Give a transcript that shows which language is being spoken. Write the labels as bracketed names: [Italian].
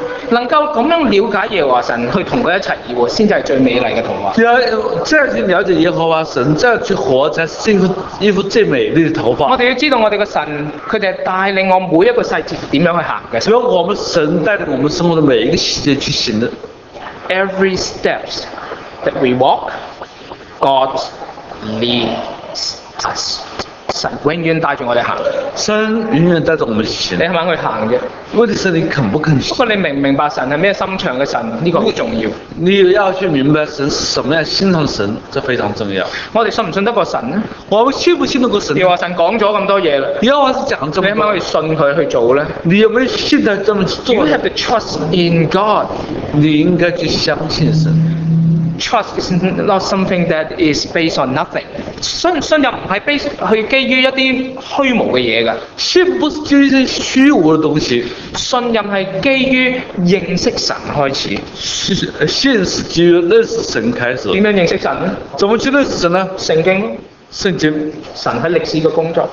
[Chinese] 能够这样了解耶和华神去同他一起而活，才是最美丽的童话。这样去了解耶和华神，这样去活才是一幅最美丽的头发。我们要知道我们的神，他就是带领我每一个细节怎样去行的。所以我们神带领我们生活的每一个细节去行的。 [English] Every steps that we walk, God leads us. [Chinese] 神永远带着我们行，神永远带着我们行，你肯不肯去行的？问题是你肯不肯去。不过你明不明白神是什么心肠的神，这个很重要。你要去明白神是什么样心肠的神，这非常重要。我们信不信得过神呢？我们信不信得过神？耶和华神讲了这么多东西，耶和华神讲这么多，你肯不肯去信他去做呢？你有没有信他这么做？ [English] You have to trust in God. [Chinese] 你应该去相信神。 [English] Trust is not something that is based on nothing. [Chinese] 信任不是 based 基于一些虚无的东西，信不是基于一些虚无的东西，信任是基于认识神开始，信是基于认识神开始。怎么认识神呢？怎么去认识神呢？圣经，圣经，神在历史的工作，